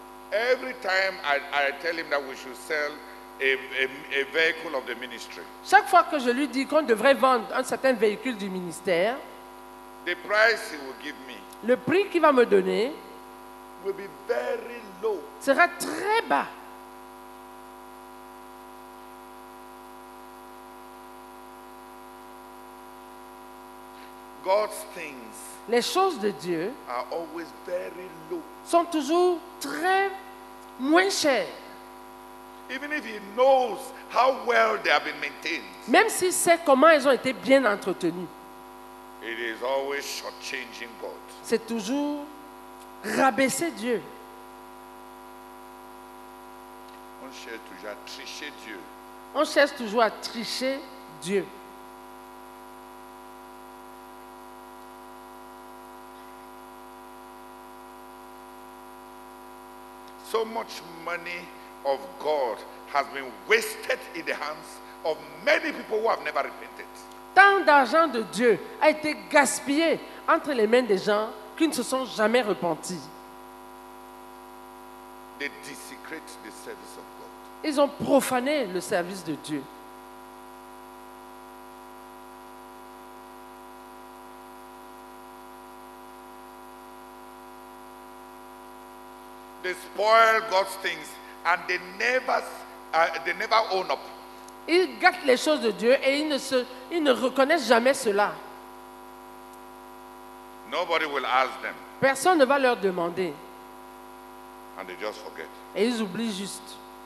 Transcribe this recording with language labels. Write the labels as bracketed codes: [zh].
[en] Every time I tell him that we should sell a vehicle of the ministry. [fr] Chaque fois que je lui dis qu'on devrait vendre un certain véhicule du ministère. [en] The price he will give me. [fr] Le prix qu'il va me donner. [en] Will be very low. [fr] Sera très bas. [en] God's things, [fr] les choses de Dieu [en] are always very low. [fr] Sont toujours très moins chères. [en] Even if he knows how well they have been maintained. [fr] Même s'il sait comment elles ont été bien entretenues. [en] It is always shortchanging God. [fr] C'est toujours rabaisser Dieu. On cherche toujours à tricher Dieu. On cherche toujours à tricher Dieu. [en] So much money of God has been wasted in the hands of many people who have never repented. [fr] Tant d'argent de Dieu a été gaspillé entre les mains des gens qui ne se sont jamais repentis. [en] They desecrate the service of God. [fr] Ils ont profané le service de Dieu. [en] They spoil God's things and they never own up. [fr] Ils gâtent les choses de Dieu et ils ne reconnaissent jamais cela. [en] Nobody will ask them. [fr] Personne ne va leur demander. [en] And they just forget. [fr] Et ils oublient juste.